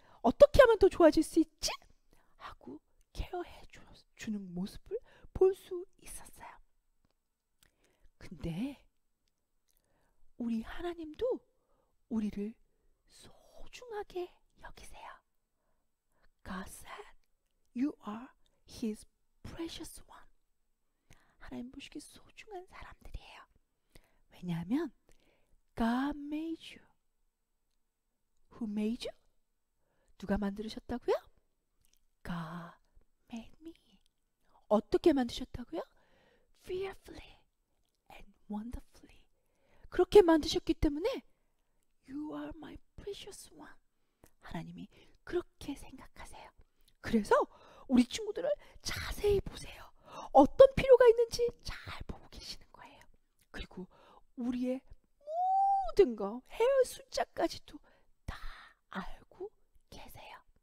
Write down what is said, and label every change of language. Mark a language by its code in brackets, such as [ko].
[ko] 어떻게 하면 더 좋아질 수 있지? 하고 케어해주는 모습을 볼 수 있었어요. 근데 우리 하나님도 우리를 소중하게 여기세요. [en] God said, You are His precious one. [ko] 하나님 보시기 소중한 사람들이에요. 왜냐하면 [en] God made you. Who made you? [ko] 누가 만드셨다고요? [en] God made me. [ko] 어떻게 만드셨다고요? [en] Fearfully and wonderfully. [ko] 그렇게 만드셨기 때문에 [en] You are my precious one. [ko] 하나님이 그렇게 생각하세요. 그래서 우리 친구들을 자세히 보세요. 어떤 필요가 있는지 잘 보고 계시는 거예요. 그리고 우리의 모든 거, 헤어 숫자까지도 다 알고 계세요.